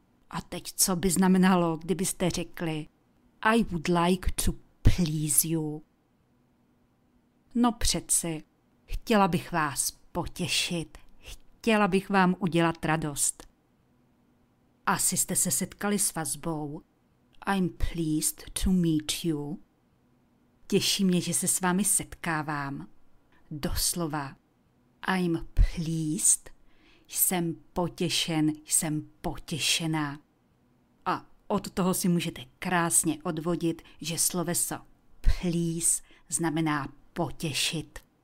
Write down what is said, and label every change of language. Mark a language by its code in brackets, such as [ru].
[cs] A teď co by znamenalo, kdybyste řekli [en] I would like to please you. [cs] No přeci, chtěla bych vás potěšit, chtěla bych vám udělat radost. Asi jste se setkali s vazbou [en] I'm pleased to meet you. [cs] Těší mě, že se s vámi setkávám. Doslova [en] I'm pleased, [cs] jsem potěšen, jsem potěšená. A od toho si můžete krásně odvodit, že sloveso please znamená potěšit.